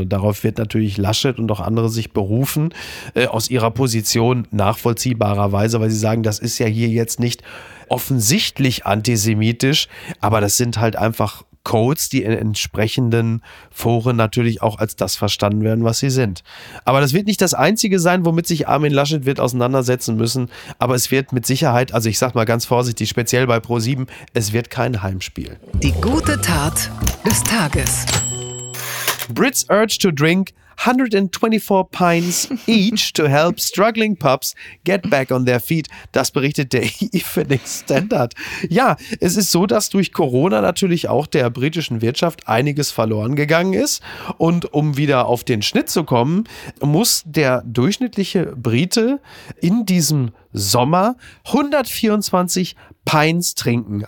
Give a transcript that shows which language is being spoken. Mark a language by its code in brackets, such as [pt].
[de] Und darauf wird natürlich Laschet und auch andere sich berufen, aus ihrer Position nachvollziehbarerweise, weil sie sagen, das ist ja hier jetzt nicht offensichtlich antisemitisch, aber das sind halt einfach Codes, die in entsprechenden Foren natürlich auch als das verstanden werden, was sie sind. Aber das wird nicht das Einzige sein, womit sich Armin Laschet wird auseinandersetzen müssen, aber es wird mit Sicherheit, also ich sag mal ganz vorsichtig, speziell bei Pro7, es wird kein Heimspiel. Die gute Tat des Tages. [en] Brits urge to drink 124 pints each to help struggling pups get back on their feet. [de] Das berichtet der Evening Standard. Ja, es ist so, dass durch Corona natürlich auch der britischen Wirtschaft einiges verloren gegangen ist. Und um wieder auf den Schnitt zu kommen, muss der durchschnittliche Brite in diesem Sommer 124 Pints trinken.